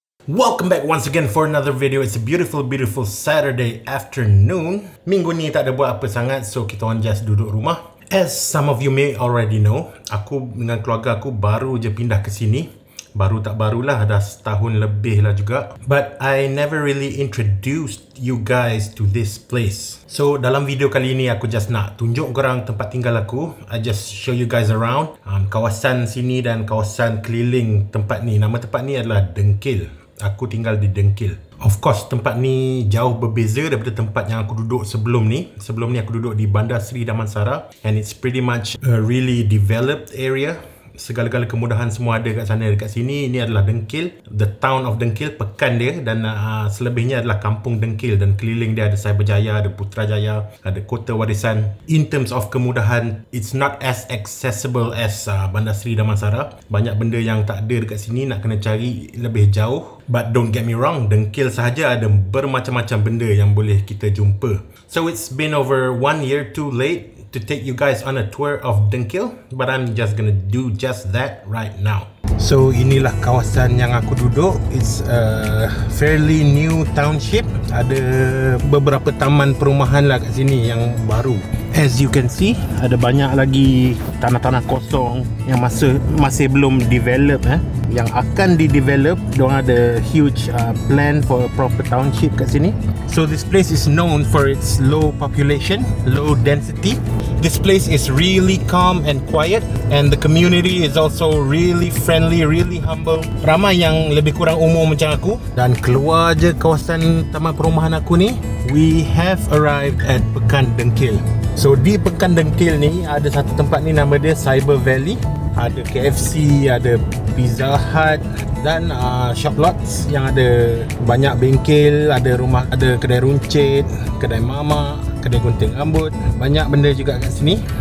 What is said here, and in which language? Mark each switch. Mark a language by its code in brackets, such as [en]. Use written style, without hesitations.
[en] Welcome back once again for another video. It's a beautiful, beautiful Saturday afternoon. [ms] Minggu ni tak ada buat apa sangat, so kita orang just duduk rumah. [en] As some of you may already know, [ms] aku dengan keluarga aku baru je pindah ke sini. Baru tak barulah, dah setahun lebih lah juga. [en] But I never really introduced you guys to this place. [ms] So dalam video kali ni aku just nak tunjuk korang tempat tinggal aku. [en] I just show you guys around. [ms] Kawasan sini dan kawasan keliling tempat ni. Nama tempat ni adalah Dengkil. Aku tinggal di Dengkil. [en] Of course, [ms] tempat ni jauh berbeza daripada tempat yang aku duduk sebelum ni. Sebelum ni aku duduk di Bandar Seri Damansara. [en] And it's pretty much a really developed area. [ms] Segala-gala kemudahan semua ada kat sana, dekat sini. Ini adalah Dengkil. [en] The town of Dengkil, [ms] pekan dia. Dan selebihnya adalah kampung Dengkil. Dan keliling dia ada Cyberjaya, ada Putrajaya, ada Kota Warisan. [en] In terms of kemudahan, it's not as accessible as Bandar Seri Damansara. [ms] Banyak benda yang tak ada dekat sini, nak kena cari lebih jauh. [en] But don't get me wrong, [ms] Dengkil sahaja ada bermacam-macam benda yang boleh kita jumpa. [en] So it's been over one year too late to take you guys on a tour of Dengkil, but I'm just gonna do just that right now. So [ms] inilah kawasan yang aku duduk. [en] It's a fairly new township. [ms] Ada beberapa taman perumahan lah kat sini yang baru. [en] As you can see, [ms] ada banyak lagi tanah-tanah kosong yang masih belum develop. Yang akan di-develop, diorang ada [en] huge plan for a proper township [ms] kat sini. [en] So this place is known for its low population, low density. This place is really calm and quiet, and the community is also really friendly, really humble. [ms] Ramai yang lebih kurang umur macam aku. Dan keluar je kawasan taman perumahan aku ni, [en] we have arrived at [ms] Pekan Dengkil. So di Pekan Dengkil ni, ada satu tempat ni, nama dia Cyber Valley. Ada KFC, ada Pizza Hut dan shop lots yang ada banyak bengkel, ada rumah, ada kedai runcit, kedai mama, kedai gunting rambut, banyak benda juga kat sini.